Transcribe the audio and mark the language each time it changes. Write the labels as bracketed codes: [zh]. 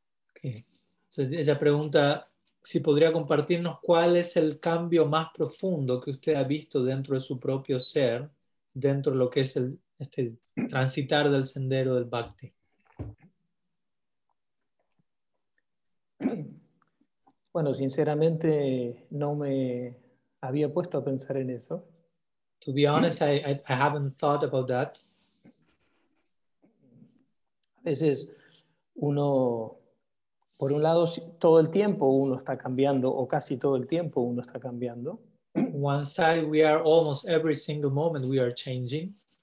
[es] Okay. Entonces ella pregunta si podría compartirnos cuál es el cambio más profundo que usted ha visto dentro de su propio ser, dentro de lo que es el este transitar del sendero del bhakti. Bueno, sinceramente no me había puesto a pensar en eso. [en] To be honest, I haven't thought about that. [es] A veces uno, por un lado, todo el tiempo uno está cambiando, o casi todo el tiempo uno está cambiando. [en] One side, we are almost every single moment we are changing.